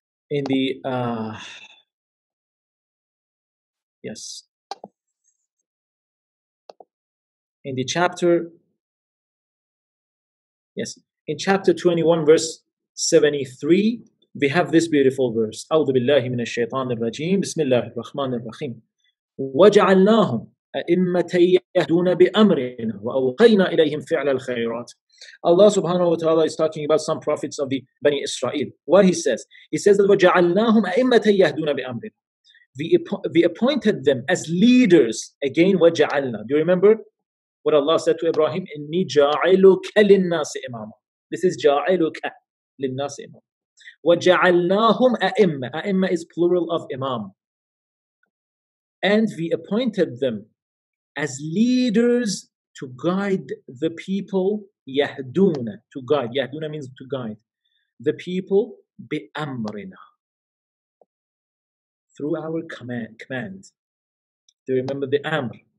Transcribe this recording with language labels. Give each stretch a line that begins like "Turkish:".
English: In the, yes. In the chapter, yes, in chapter 21, verse 73, we have this beautiful verse.
Arabic: أعوذ بالله من الشيطان الرجيم بسم الله الرحمن الرحيم وجعلناهم أئمة يهدون بأمرنا وأوقينا إليهم فعل الخيرات.
English: Allah subhanahu wa ta'ala is talking about some prophets of the Bani Israel. What he says that
Arabic: وَجَعَلْنَاهُمْ أَئِمَّةً يَهْدُونَ بِأَمْرِنَا.
English: We appointed them as leaders. Again, وَجَعَلْنَا. Do you remember what Allah said to Ibrahim?
Arabic: إِنِّي جَاعِلُكَ لِلنَّاسِ إِمَامًا.
English: This is
Arabic: جَاعِلُكَ لِلنَّاسِ إِمَامًا. وَجَعَلْنَاهُمْ أَئِمَّةً.
English: أَئِمَّةً is plural of imam. And we appointed them as leaders to guide the people. Yahduna, to guide. Yahduna means to guide the people. Bi amrina, through our command. Do you remember the amr?